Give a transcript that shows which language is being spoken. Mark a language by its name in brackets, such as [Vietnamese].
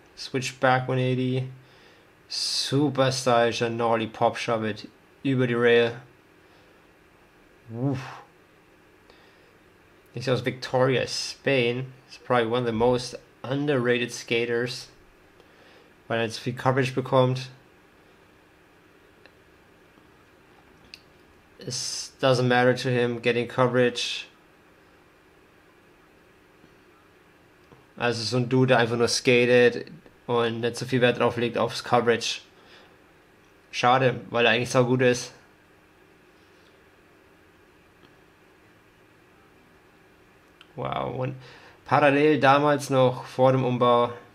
[German] Switchback 180. Super stylischer Nolly pop shove it. Über die Rail. Uff. Ist aus Victoria, Spain. [English] Ist probably one of the most underrated skaters, [German] weil er jetzt viel Coverage bekommt. [English] It doesn't matter to him getting coverage. [German] Also so ein Dude, der einfach nur skatet und nicht so viel Wert drauf legt aufs Coverage. Schade, weil er eigentlich so gut ist. Wow, und parallel damals noch vor dem Umbau.